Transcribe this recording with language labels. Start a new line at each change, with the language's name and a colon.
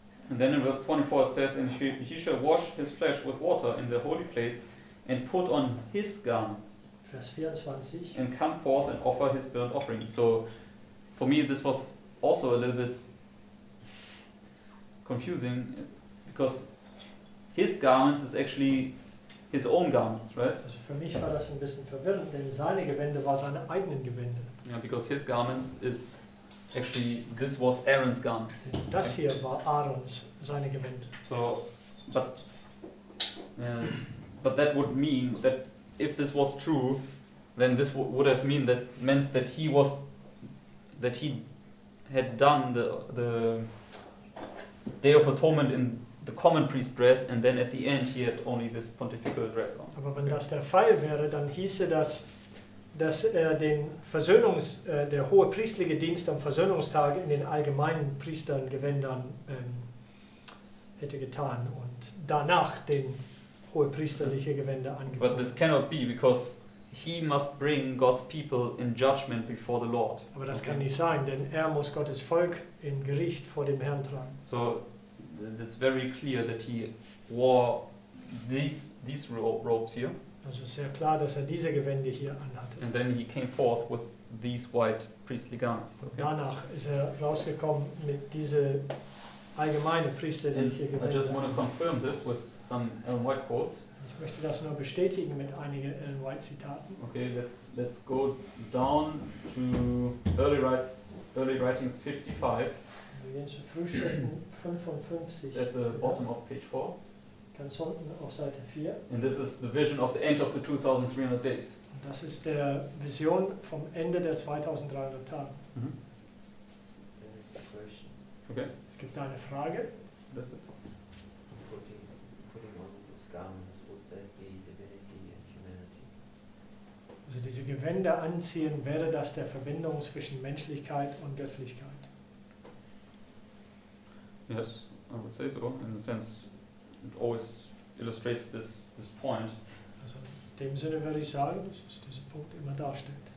English: And then in verse 24 it says, and he shall wash his flesh with water in the holy place and put on his garments.
German: Vers 24.
English: And come forth and offer his burnt offering. So for me this was also a little bit confusing, because his garments is actually his own garments, right?
German: Also für mich war das ein bisschen verwirrend, denn seine Gewände war seine eigenen Gewände.
English: Yeah, because his garments is actually, this was Aaron's garments.
German: Das hier war Aarons, seine Gewände.
English: So, but that would mean that if this was true, then this would have mean that meant that he was, that he had done the Day of Atonement in the common priest dress, and then at the end he had only this pontifical dress on.
German: Aber wenn das der Fall wäre, dann hieße das, dass er den Versöhnungs, der hohe priestliche Dienst am Versöhnungstag in den allgemeinen Priestergewändern hätte getan und danach den hohe priesterliche Gewänder angezogen.
English: But this cannot be, because he must bring God's people in judgment before the Lord.
German: Aber das kann nicht sein, denn er muss Gottes Volk in Gericht vor dem Herrn tragen.
English: So, it's very clear that he wore these robes here.
German: Also sehr klar, dass er diese Gewände hier anhatte.
English: And then he came forth with these white priestly garments. Okay.
German: Danach ist er rausgekommen mit diese allgemeine priesterliche Gewände.
English: I just want to confirm this with some Ellen White quotes.
German: Ich möchte das nur bestätigen mit einigen Ellen White Zitaten.
English: Okay, let's go down to early writings 55.
German: Wir gehen zu Frühschriften 55.
English: At the bottom of page 4.
German: Ganz unten auf Seite 4.
English: And this is the vision of the end of the 2300 days.
German: Und das ist der Vision vom Ende der 2300 Tage. Mm-hmm.
English: There is a question. Okay.
German: Es gibt eine Frage.
English: That's it. Putting on these garments, would that be divinity and humanity?
German: Also diese Gewänder anziehen, wäre das der Verbindung zwischen Menschlichkeit und Göttlichkeit?
English: Yes, I would say so, in the sense. It always illustrates this point.
German: Also, in dem Sinne würde ich sagen, dass dieser Punkt immer darstellt.